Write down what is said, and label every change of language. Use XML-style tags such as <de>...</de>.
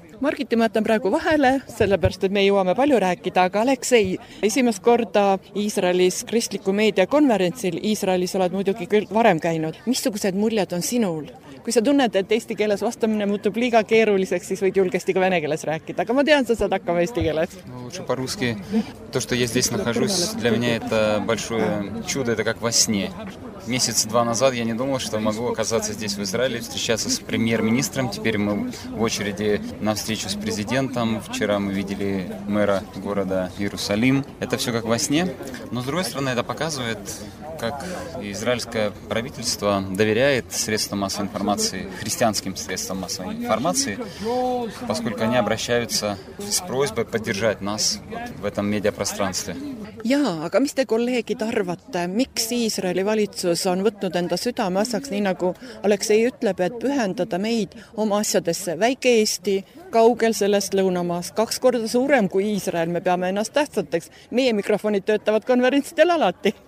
<et>Margiti, ma jätan praegu vahele, sellepärast, et me jõuame palju rääkida, aga Aleksei, esimest korda Iisraelis kristliku meedia konverentsil, Iisraelis oled muidugi küll varem käinud. Missugused muljed on sinul? Kui sa tunned, et eesti keeles vastamine muutub liiga keeruliseks, siis võid julgesti ka vene keeles rääkida, aga ma tean, sa saad hakkama eesti keeles. No, lõpuks paruski.</et> <ru>To, što я здесь нахожусь, для меня это большое чудо, это как во сне. месяц два назад я не думал, что могу оказаться здесь, в Израиле, встречаться с премьер-министром. Теперь мы в очереди на встречу с президентом. Вчера мы видели мэра города Иерусалим. Это все как во сне. Но, с другой стороны, это показывает, как израильское правительство доверяет средствам массовой информации, христианским средствам массовой информации, поскольку они обращаются с просьбой поддержать нас вот в этом медиапространстве.</ru> <et>Jaa, aga mis te kolleegid arvate, miks Iisraeli valitsus on võtnud enda südame asjaks, nii nagu Aleksei ütleb, et pühendada meid oma asjadesse väike Eesti, kaugel sellest lõunamaast, kaks korda suurem kui Iisrael, me peame ennast tähtsateks, meie mikrofonid töötavad konverentsidel alati.</et>